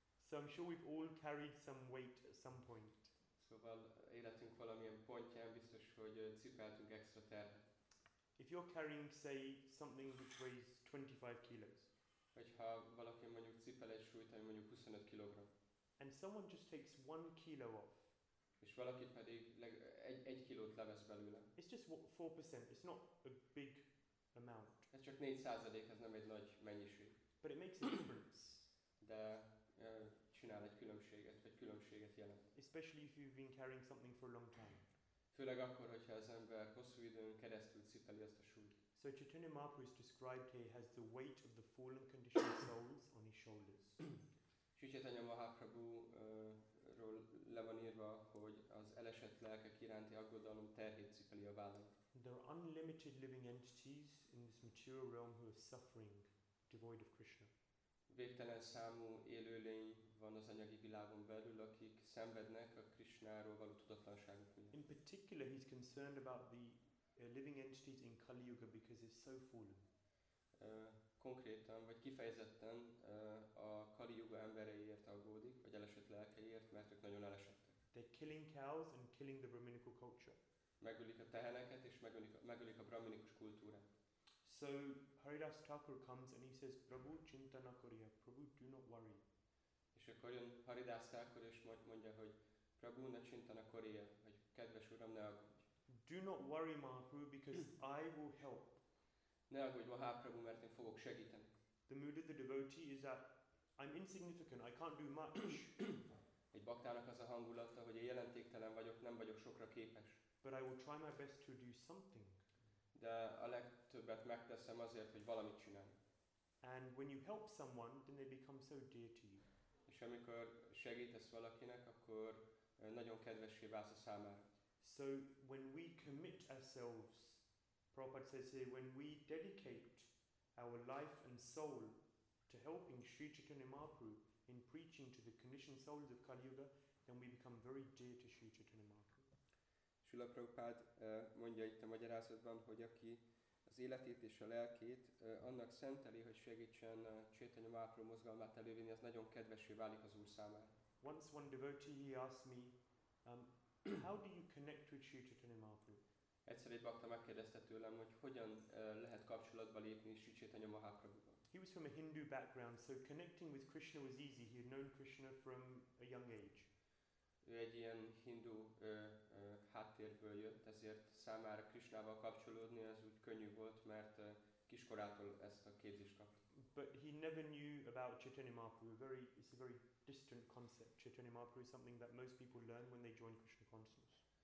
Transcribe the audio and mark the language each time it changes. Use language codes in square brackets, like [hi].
[en] So I'm sure we've all carried some weight at some point. [hu] Szóval életünk valamilyen pontján biztos, hogy cipeltünk extra terhet. [en] If you're carrying, say, something which weighs 25 kilos. [hu] Hogyha valaki mondjuk cipel egy súlyt, ami mondjuk 25 kilogram. [en] And someone just takes 1 kilo off. [hu] És valaki pedig egy kilót levesz belőle. [en] It's just 4%. It's not a big amount. [hu] Ez csak 4%, ez nem egy nagy mennyiség. [en] But it makes a difference. [hu] De csinál egy különbséget, vagy különbséget jelent. [en] Especially if you've been carrying something for a long time. [hu] Főleg akkor, hogyha az ember hosszú időn keresztül cipeli ezt a súlyt. [en] So Chaitanya Mahaprabhu is described here as the weight of the fallen conditioned souls on his shoulders. [hu] Chaitanya Mahaprabhu-ról le van írva, hogy az elesett lelkek iránti aggodalom terhét cipeli a vállán. [en] There are unlimited living entities in this material realm who are suffering, devoid of Krishna. [hu] Végtelen számú élőlény van az anyagi világon belül, akik szenvednek a Krishnáról való tudatlanságuk miatt. [en] In particular, he's concerned about the living entities in Kali Yuga because it's so fallen. [hu] Konkrétan, vagy kifejezetten a Kali Yuga embereiért aggódik, vagy elesett lelkeiért, mert ők nagyon elesettek. [en] They're killing cows and killing the brahminical culture. [hu] Megölik a teheneket és megölik a brahminikus kultúrát. [en] So Haridas Thakur comes and he says, Prabhu, [bn] chintana koriya, [en] Prabhu, do not worry. [hu] És akkor jön Haridas Thakur és mondja, hogy Prabhu, ne [bn] chintana koriya, [hu] hogy kedves uram, ne aggódj. [en] Do not worry, Mahaprabhu, because I will help. [hu] Ne aggódj, Mahaprabhu, mert én fogok segíteni. [en] The mood of the devotee is that I'm insignificant, I can't do much. [hu] Egy baktának az a hangulata, hogy én jelentéktelen vagyok, nem vagyok sokra képes. [en] But I will try my best to do something. [hu] De a legtöbbet megteszem azért, hogy valamit csináljak. [en] And when you help someone, then they become so dear to you. [hu] És amikor segítesz valakinek, akkor nagyon kedvessé válsz a számára. [en] So when we commit ourselves, Prabhupada says here, when we dedicate our life and soul to helping Sri Chaitanya Mahaprabhu in preaching to the conditioned souls of Kali Yuga, then we become very dear to Sri Chaitanya Mahaprabhu. [hu] Srila Prabhupád mondja itt a magyarázatban, hogy aki az életét és a lelkét annak szenteli, hogy segítsen Chaitanya Mahaprabhu mozgalmát elővinni, az nagyon kedvessé válik az Úr számára. [en] Once one devotee he asked me, how do you connect with Sri Chaitanya Mahaprabhu? [hu] Egyszer egy bakta megkérdezte tőlem, hogy hogyan lehet kapcsolatba lépni Sri Chaitanya Mahaprabhuval. [en] He was from a Hindu background, so connecting with Krishna was easy. He had known Krishna from a young age. [hu] Ő egy ilyen hindu háttérből jött, ezért számára Krishnával kapcsolódni az úgy könnyű volt, mert kiskorától ezt a képzést kapta. [en] But he never knew about Chaitanya Mahaprabhu. It's a very distant concept. Chaitanya Mahaprabhu is something that most people learn when they join Krishna consciousness.